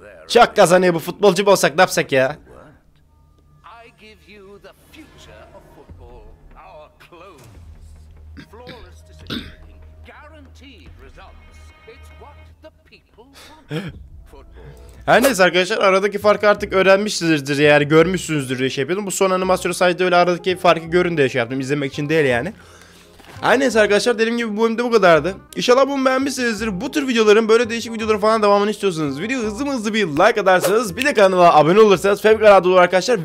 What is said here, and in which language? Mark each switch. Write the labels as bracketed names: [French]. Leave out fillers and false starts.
[Turkish] Çok kazanıyor bu futbolcu, olsak ne yapsak ya? [English] I give you the future of football, our clones. Flawless decision, guaranteed results. It's what the people want. [Turkish] Her neyse arkadaşlar, aradaki farkı artık öğrenmişsinizdir yani, görmüşsünüzdür diye şey yapıyordum. Bu son animasyonu sadece öyle aradaki farkı görün diye şey yaptım, izlemek için değil yani. Her neyse arkadaşlar, dediğim gibi bu bölümde bu kadardı. İnşallah bunu beğenmişsinizdir. Bu tür videoların, böyle değişik videoların falan devamını istiyorsunuz. Video hızlı hızlı bir like atarsanız, bir de kanala abone olursanız fevkalade olur arkadaşlar.